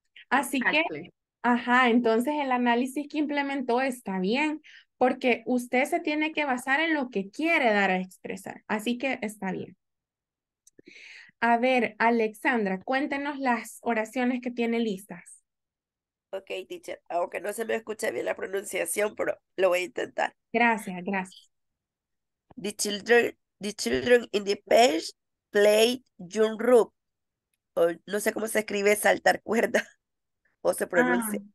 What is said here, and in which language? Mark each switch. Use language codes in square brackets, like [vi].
[es] Así que, ajá, entonces el análisis que implementó está bien, porque usted se tiene que basar en lo que quiere dar a expresar, así que está bien. A ver, Alexandra, cuéntenos las oraciones que tiene listas. Ok, teacher, aunque no se me escucha bien la pronunciación, pero lo voy a intentar. Gracias, gracias. [en] The children in the page play jump rope. [es] O, no sé cómo se escribe saltar cuerda o se pronuncia.